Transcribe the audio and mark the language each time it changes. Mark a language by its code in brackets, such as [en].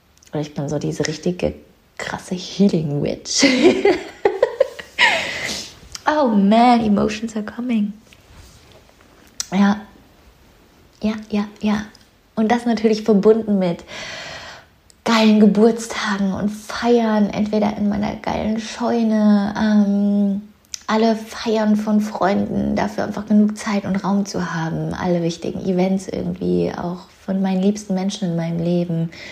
[de] Oder ich bin so diese richtige, krasse Healing Witch. [en] Oh man, emotions are coming. [de] Ja, ja, ja, ja. Und das natürlich verbunden mit geilen Geburtstagen und Feiern, entweder in meiner geilen Scheune, alle Feiern von Freunden, dafür einfach genug Zeit und Raum zu haben, alle wichtigen Events irgendwie, auch von meinen liebsten Menschen in meinem Leben,